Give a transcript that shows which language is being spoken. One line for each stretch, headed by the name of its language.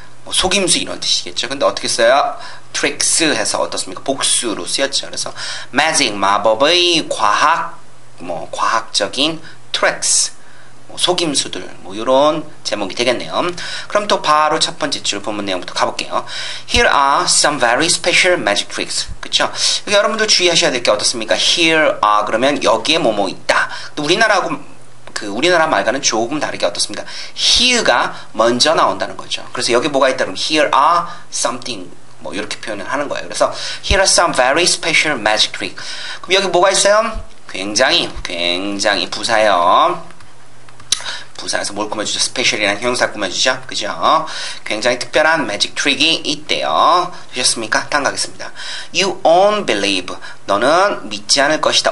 Korean: 뭐 속임수 이런 뜻이겠죠. 근데 어떻게 써요? tricks 해서 어떻습니까? 복수로 쓰였죠. 그래서 magic 마법의 과학 뭐 과학적인 tricks 뭐 속임수들 뭐 이런 제목이 되겠네요. 그럼 또 바로 첫 번째 줄 본문 내용부터 가볼게요.
English: Here are some very special magic tricks.
Korean: 그렇죠? 여기 여러분들 주의하셔야 될 게 어떻습니까?
English: Here are
Korean: 그러면 여기에 뭐뭐 있다. 또 우리나라하고 그 우리나라 말과는 조금 다르게 어떻습니까? Here가 먼저 나온다는 거죠. 그래서 여기 뭐가 있다면
English: Here are something
Korean: 뭐 이렇게 표현을 하는 거예요.
English: 그래서 Here are some very special magic tricks.
Korean: 그럼 여기 뭐가 있어요? 굉장히 굉장히 부사예요. 부사에서 뭘 꾸며주죠? special이라는 형사 꾸며주죠? 그죠? 굉장히 특별한 magic trick이 있대요. 되셨습니까? 다음 가겠습니다.
English: You won't believe.
Korean: 너는 믿지 않을 것이다.